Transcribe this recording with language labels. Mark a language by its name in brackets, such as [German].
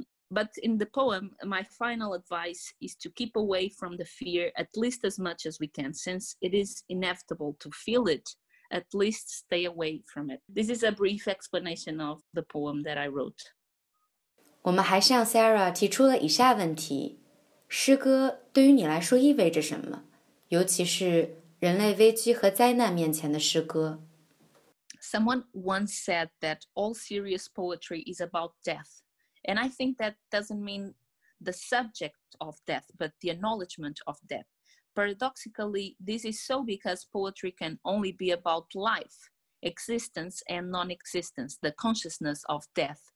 [English] But in the poem, my final advice is to keep away from the fear at least as much as we can. Since it is inevitable to feel it, at least stay away from it. This is a brief explanation of the poem that I wrote. [Chinese] 我们还向 Sarah 提出了以下问题：诗歌对于你来说意味着什么？尤其是人类危机和灾难面前的诗歌。 [English] Someone once said that all serious poetry is about death. And I think that doesn't mean the subject of death, but the acknowledgement of death. Paradoxically, this is so because poetry can only be about life, existence and non-existence, the consciousness of death